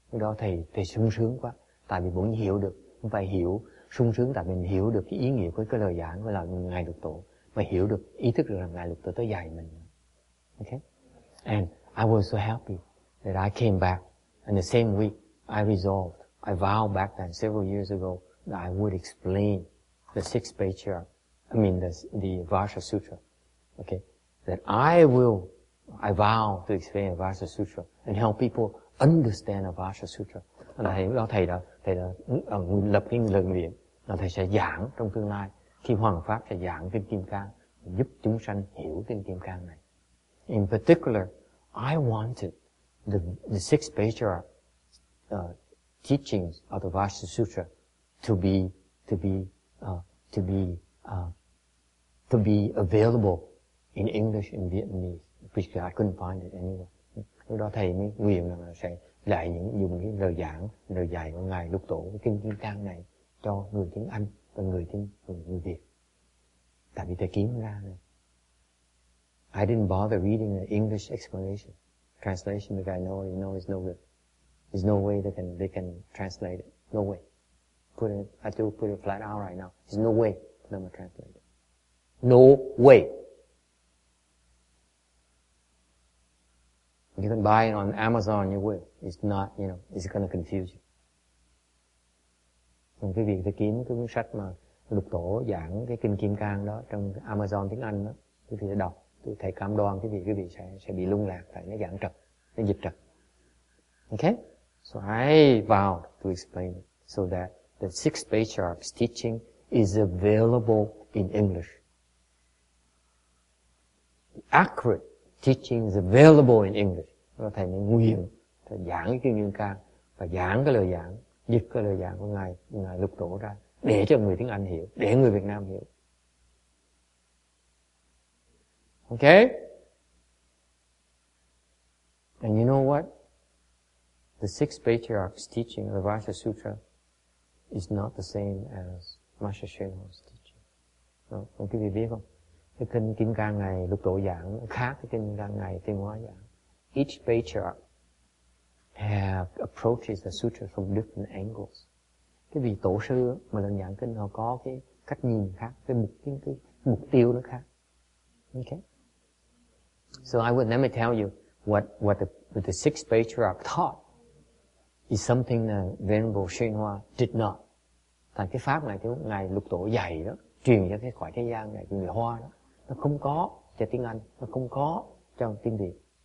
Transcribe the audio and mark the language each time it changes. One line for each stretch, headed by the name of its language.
Vietnamese: Lúc đó thầy sung sướng quá, tại vì bỗng hiểu được, không phải hiểu, sung sướng tại mình hiểu được cái ý nghĩa của cái lời giảng của là ngài lục tổ, mà hiểu được, ý thức được là ngài lục tổ tới dạy mình.
English: Okay? And I was so happy that I came back, and the same week I resolved, I vowed back then several years ago that I would explain the sixth patriarch, the Vajra Sutra. Okay? That I vow to explain the Vajra Sutra and help people understand the Vajra Sutra.
Vietnamese: And thầy đã lập cái lời nguyện là thầy sẽ giảng trong tương lai khi hoằng pháp sẽ giảng kinh Kim Cang giúp chúng sanh hiểu kinh Kim Cang này.
English: In particular, I wanted the sixth patriarch teachings of the Vajra Sutra to be available in English and Vietnamese. Because I couldn't find it anywhere.
Vietnamese: Lúc đó thầy mới nguyện là sẽ lại dùng cái lời dạy của ngài lục tổ của kinh Kim Cang này cho người tiếng Anh và người Việt. Tại vì thầy kiếm ra này.
English: I didn't bother reading the English explanation, translation, because I know you know it's no good. There's no way they can translate it. No way. I do put it flat out right now. There's no way for them to translate it. No way. You can buy it on Amazon, you will. It's not, you know, it's going to confuse you.
Vietnamese: Cái việc thầy kiếm cái cuốn sách mà lục tổ giảng cái kinh Kim Cang đó trong Amazon tiếng Anh đó, cái việc đọc, thầy cam đoan cái việc sẽ bị lung lạc, tại nó giảng trật, nó dịch trật.
English: Okay? So I vowed to explain it so that the six patriarchs teaching is available in English. Accurate. Teaching is available in English.
Vietnamese: Đó thầy mới nguyện thầy giảng cái kinh Kim Cang và giảng cái lời giảng, dịch cái lời giảng của ngài lục tổ ra để cho người tiếng Anh hiểu, để người Việt Nam hiểu.
English: Okay? And you know what? The six patriarchs teaching of the Vajra Sutra is not the same as Master Shenhong's teaching.
Vietnamese: No, không quý vị biết không? Cái kinh Kim Cang này lục tổ giảng khác cái kinh Kim Cang này Tiên Hóa giảng.
English: Each patriarch have approaches the sutra from different angles.
Vietnamese: Cái vị tổ sư mà lần giảng kinh họ có cái cách nhìn khác, cái mục tiêu nó khác.
English: Okay. So I would never tell you what the six patriarch taught is something that Venerable Shenhua did not.
Vietnamese: Thành cái pháp này cái ngài lục tổ dạy đó, truyền cho cái khỏi thế gian này, người Hoa đó, nó không có cho tiếng Anh, nó không có cho tiếng Việt.